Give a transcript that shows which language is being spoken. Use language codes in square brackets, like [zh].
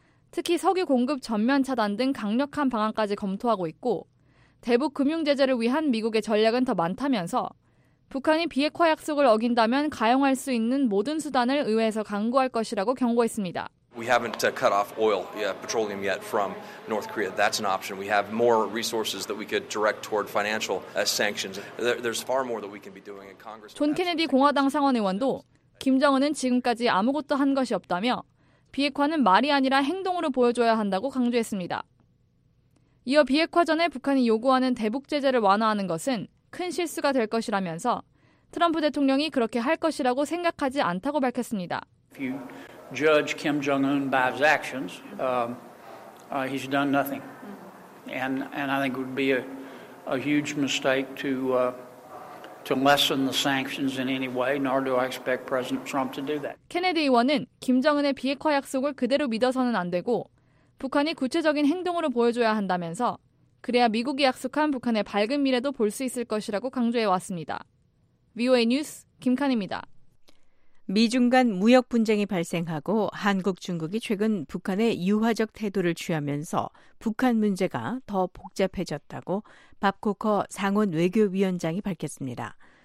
[ko] 특히 석유 공급 전면 차단 등 강력한 방안까지 검토하고 있고 대북 금융 제재를 위한 미국의 전략은 더 많다면서 북한이 비핵화 약속을 어긴다면 가용할 수 있는 모든 수단을 의회에서 강구할 것이라고 경고했습니다. [en] We haven't cut off oil, petroleum yet from North Korea. That's an option. We have more resources that we could direct toward financial sanctions. There's far more that we can be doing in Congress. [ko] 존 케네디 공화당 상원 의원도 김정은은 지금까지 아무것도 한 것이 없다며 비핵화는 말이 아니라 행동으로 보여줘야 한다고 강조했습니다. 이어 비핵화 전에 북한이 요구하는 대북 제재를 완화하는 것은 큰 실수가 될 것이라면서 트럼프 대통령이 그렇게 할 것이라고 생각하지 않다고 밝혔습니다. [en] If you judge Kim Jong-un by his actions, he's done nothing. And I think it would be a huge mistake to lessen the sanctions in any way, nor do I expect President Trump to do that. [ko] 케네디 의원은 김정은의 비핵화 약속을 그대로 믿어서는 안 되고 북한이 구체적인 행동으로 보여줘야 한다면서 그래야 미국이 약속한 북한의 밝은 미래도 볼 수 있을 것이라고 강조해왔습니다. VOA 뉴스 김칸입니다. 미중 간 무역 분쟁이 발생하고 한국, 중국이 최근 북한의 유화적 태도를 취하면서 북한 문제가 더 복잡해졌다고 밥 코커 상원 외교위원장이 밝혔습니다.